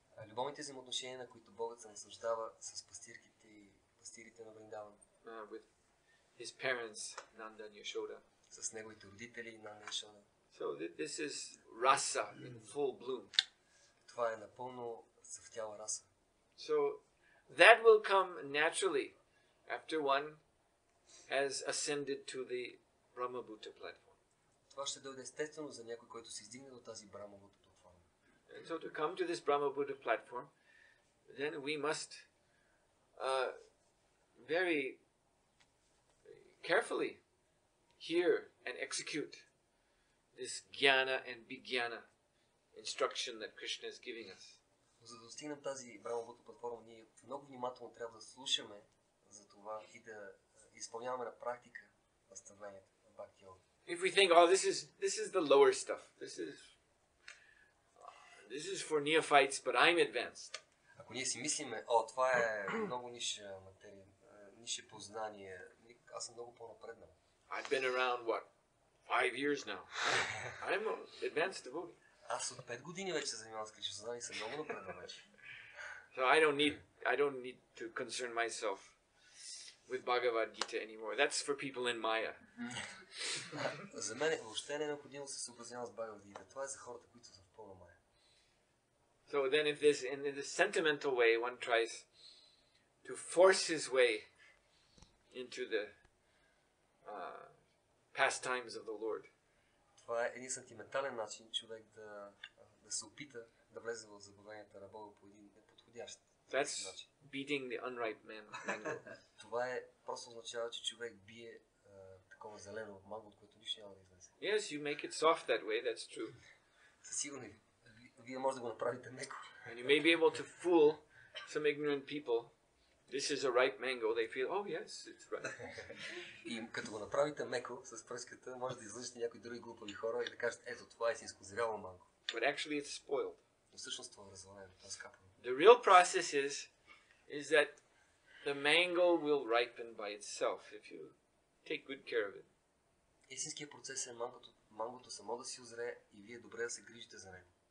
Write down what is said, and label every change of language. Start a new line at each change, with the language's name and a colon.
Bulgarian: Любовните взаимоотношения, на които Богът се наслаждава с пастирките и пастирите на Вриндаван.
English: With his parents, Nanda and Yashoda.
Bulgarian: С неговите родители, Nanda and Yashoda.
English: So this is rasa in full bloom.
Bulgarian: Това е напълно съвтяла раса.
English: So that will come naturally after one has ascended to the Brahmabhuta platform.
Bulgarian: Това ще дойде естествено за някой, който се издигне до тази Брамовата платформа.
English: And so to come to this Brahma Buddha platform, then we must very carefully hear and execute this jnana and vijnana instruction that Krishna is giving us.
Bulgarian: За да достигнем тази Брама Бута платформа, ние много внимателно трябва да слушаме за това и да изпълняваме на практика наставленията на Бхакти Йога.
English: If we think, oh, this is the lower stuff. This is for neophytes, but I'm advanced.
Bulgarian: Ако ние си мислиме, о, това е много ниша материя, ниша познание, аз съм много по-напреднал.
English: I've been around, what, 5 years now. I'm an advanced devotee.
Bulgarian: Аз от 5 години вече се занимавам с кришна и съм много напреднал вече.
English: So I don't need to concern myself with Bhagavad Gita anymore. That's for people in Maya.
Bulgarian: За мен въобще не е необходимо да се съобразявам с Bhagavad Gita. Това е за хората, които са в пълна Maya.
English: So then if this in the sentimental way one tries to force his way into the pastimes of the Lord.
Bulgarian: Това е един сантиментален начин човек да се опита да влезе в забавенията на Бога по един неподходящ начин.
English: That's beating the unripe man.
Bulgarian: Това е просто означава, че човек бие такова зелено манго, от което нищо няма да излезе.
English: Yes, you make it soft that way, that's true.
Bulgarian: Със сигурност вие може да го направите меко.
English: And you may be able to fool some ignorant people. This is a ripe mango. They feel, oh yes, it's ripe.
Bulgarian: И като го направите меко с пръската, може да излъжете някои други глупави хора и да кажете, ето това е истинско зряло манго.
English: But actually it's spoiled.
Bulgarian: Всъщност това е развалено, това е скапано.
English: The real process is that the mango will ripen by itself if you take good care of it.
Bulgarian: Истинският процес е мангото само да си озре и вие добре да се грижите за него.